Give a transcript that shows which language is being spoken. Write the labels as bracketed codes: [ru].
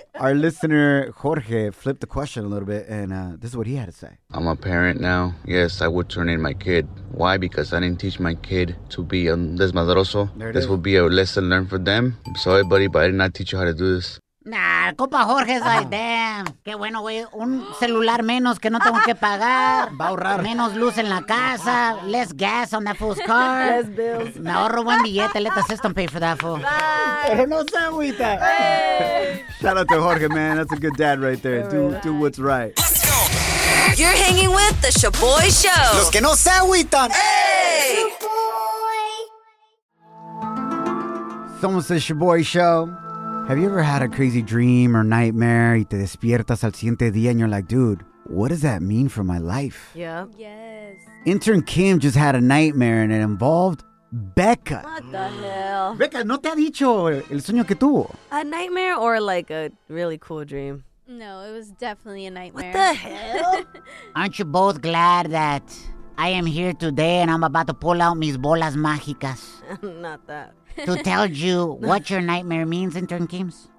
[en] Our listener, Jorge, flipped the question a little bit, and this is what he had to say. I'm a parent now. Yes, I would turn in my kid. Why? Because I didn't teach my kid to be a desmadroso. This would be a lesson learned for them. I'm sorry, buddy, but I did not teach you how to do this. [es] Nah, compa Jorge es [en] like, damn. [es] Qué bueno, güey. Un celular menos que no tengo que pagar. Va a ahorrar. Menos luz en la casa. [en] Less gas on that fool's car. Less bills. [es] Me ahorro buen billete. [en] Let the system pay for that fool. Bye. [es] Pero no se agüita. [en] Shout out to Jorge, man. That's a good dad right there. Do what's right. You're hanging with the Shaboy Show. [es] Los que no se agüitan. [en] Hey! Shaboy. Somos the Shaboy Show. Have you ever had a crazy dream or nightmare [es] y te despiertas al siguiente día [en] and you're like, dude, what does that mean for my life? Yeah. Yes. Intern Kim just had a nightmare and it involved Becca. What the hell? [es] Becca, ¿no te ha dicho el sueño que tuvo? [en] A nightmare or like a really cool dream? No, it was definitely a nightmare. What the hell? Aren't you both glad that I am here today and I'm about to pull out [es] mis bolas mágicas? [en] Not that. To tell you what your nightmare means, Intern Kims?